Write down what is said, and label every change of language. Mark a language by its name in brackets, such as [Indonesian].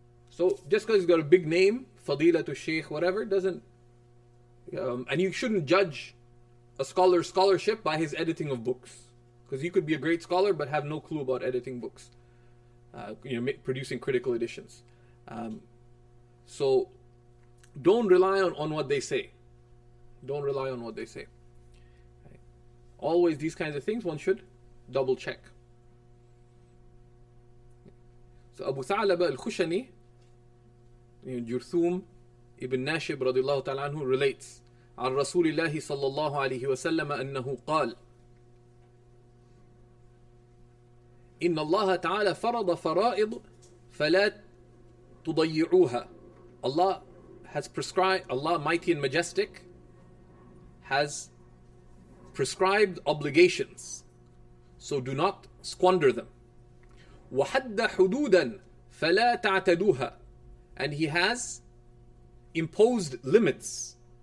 [English] So just because he's got a big name, fadila to sheikh, whatever, and you shouldn't judge a scholar's scholarship by his editing of books, because you could be a great scholar but have no clue about editing books, producing critical editions. So don't rely on what they say. Don't rely on what they say. Right. Always these kinds of things one should double check. So Abu Tha'laba al-Khushani, Jurthum ibn Nashib radiallahu ta'ala anhu relates, [Arabic] عن رسول الله صلى الله عليه وسلم أنه قال إن الله تعالى فرض فرائض فلا تُضَيِّعُوهَا. [English] Allah has prescribed, Allah mighty and majestic, has prescribed obligations. So do not squander them. [Arabic] وَحَدَّ حُدُودًا فَلَا تَعْتَدُوهَا. [English] And He has imposed limits.